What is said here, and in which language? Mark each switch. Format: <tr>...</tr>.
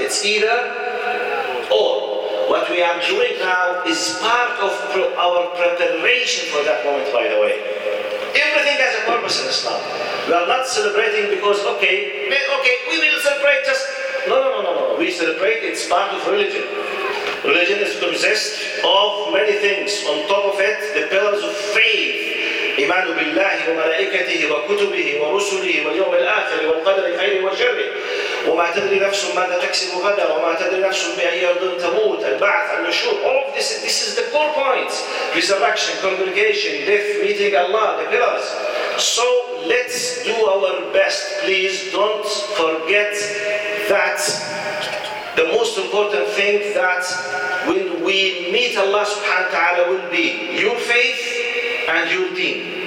<en>It's either or. What we are doing now is part of our preparation for that moment, by the way. Everything has a purpose in Islam. We are not celebrating because, okay, we will celebrate just... No. We celebrate, it's part of religion. Religion is consist of many things. On top of it, the pillars of faith.</en> <ar>إيمان بالله وملائكته وكتبه ورسله واليوم الآخر والقدر خيره وشره وما تدري نفس ماذا تكسب غدا وما تدري نفس بأي أرض تموت البعث النشور.</ar> <en>All of this is the core points. Resurrection, congregation, death, meeting Allah, the pillars. So let's do our best. Please don't forget that the most important thing that when we meet Allah subhanahu wa ta'ala will be your faith and your deen.</en>